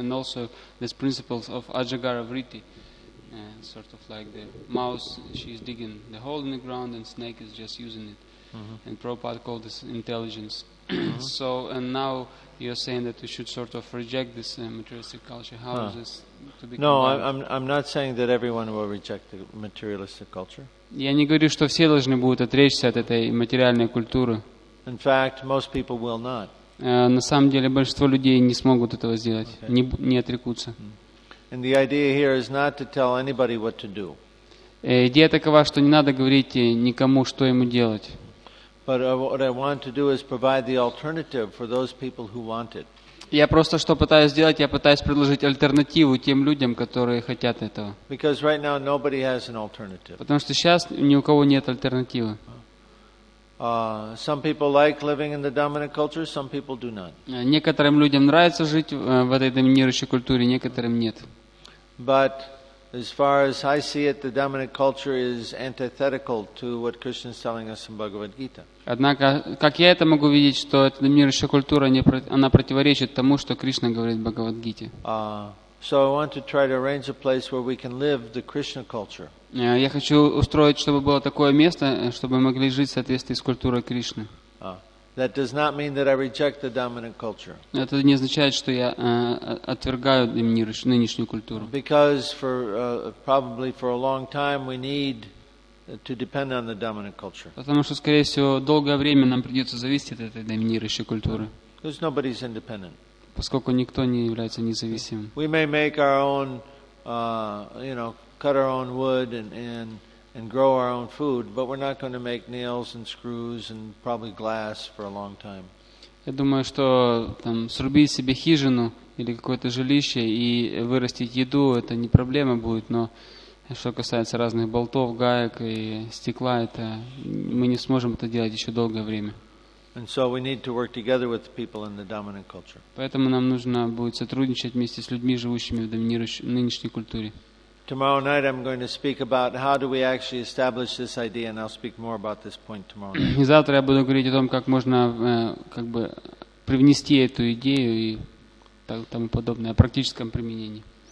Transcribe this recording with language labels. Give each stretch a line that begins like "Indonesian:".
English: And also these principles of Ajagara Vritti, sort of like the mouse, she's digging the hole in the ground and snake is just using it. Mm-hmm. And Prabhupada called this intelligence. Mm-hmm. So, and now you're saying that we should sort of reject this materialistic culture. How is this to be? No, I'm not saying that everyone will reject the materialistic culture.
Russian: Я не говорю, что все должны будут отречься от этой материальной культуры.
English: In fact, most people will not.
Russian: На самом деле, большинство людей не смогут этого сделать, okay. не отрекутся.
English: And the idea here is not to tell anybody what to do.
Russian: Идея такова, что не надо говорить никому, что ему делать.
English: But what I want to do is provide the alternative for those people who want it.
Russian: Я просто что пытаюсь сделать, я пытаюсь предложить альтернативу тем людям, которые хотят этого.
English: Because right now nobody has an alternative.
Russian: Потому что сейчас ни у кого нет альтернативы.
English: Some people like living in the dominant culture, some people do not.
Russian: Некоторым людям нравится жить в этой доминирующей культуре, некоторым нет.
English: But as far as I see it, the dominant culture is antithetical to what Krishna is telling us in Bhagavad Gita.
Russian: Однако, как я это могу видеть, что эта доминирующая культура, она противоречит тому, что Кришна говорит в Бхагавад Гите.
English: So I want to try to arrange a place where we can live the Krishna culture.
Russian: Я хочу устроить, чтобы было такое место, чтобы мы могли жить в соответствии с культурой Кришны.
English: That does not mean that I reject the dominant culture.
Russian: Это не означает, что я отвергаю доминирующую нынешнюю культуру.
English: Because for probably for a long time we need to depend on the dominant culture.
Russian: Потому что, скорее всего, долгое время нам придется зависеть от этой доминирующей культуры.
English: Because nobody is independent.
Russian: Поскольку никто не является независимым.
English: We may make our own, you know, cut our own wood and grow our own food, but we're not going to make nails and screws and probably glass for a long time.
Russian: Я думаю, что там срубить себе хижину или какое-то жилище и вырастить еду это не проблема будет, но что касается разных болтов, гаек и стекла, это мы не сможем это делать еще долгое время.
English: And so we need to work together with the people in the dominant culture.
Russian: Поэтому нам нужно будет сотрудничать вместе с людьми, живущими в доминирующей нынешней культуре.
English: Tomorrow night I'm going to speak about how do we actually establish this idea, and I'll speak more about this point tomorrow night.
Russian: И завтра я буду говорить о том, как можно как бы привнести эту идею и так тому подобное в практическом применении.